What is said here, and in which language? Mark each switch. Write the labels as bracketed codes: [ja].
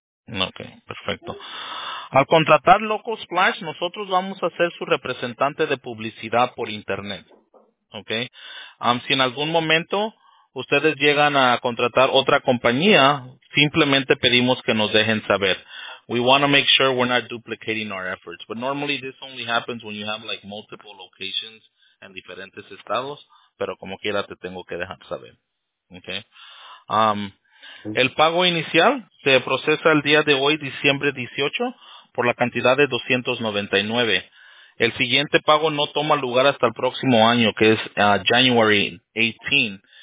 [es] Ok, perfecto. Al contratar Local Splash, nosotros vamos a ser su representante de publicidad por internet. Ok. Si en algún momento ustedes llegan a contratar otra compañía, simplemente pedimos que nos dejen saber. [en] We want to make sure we're not duplicating our efforts. But normally this only happens when you have like multiple locations [es] en diferentes estados. Pero como quiera te tengo que dejar saber. Okay. El pago inicial se procesa el día de hoy, diciembre 18, por la cantidad de $299. El siguiente pago no toma lugar hasta el próximo año, que es January 18.